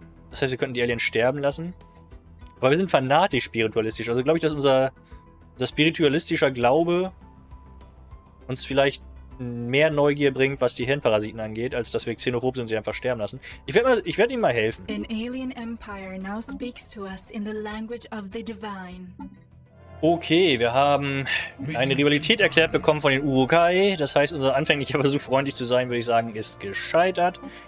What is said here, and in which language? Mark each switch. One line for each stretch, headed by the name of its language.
German: Das heißt, wir könnten die Aliens sterben lassen. Aber wir sind fanatisch spiritualistisch. Also glaube ich, dass unser spiritualistischer Glaube uns vielleicht mehr Neugier bringt, was die Hirnparasiten angeht, als dass wir xenophob sind und sie einfach sterben lassen. Ich werde ihnen mal helfen.
English: An alien empire now speaks to us in the language of the divine.
German: Okay, wir haben eine Rivalität erklärt bekommen von den Urukai. Das heißt, unser anfänglicher Versuch, freundlich zu sein, würde ich sagen, ist gescheitert.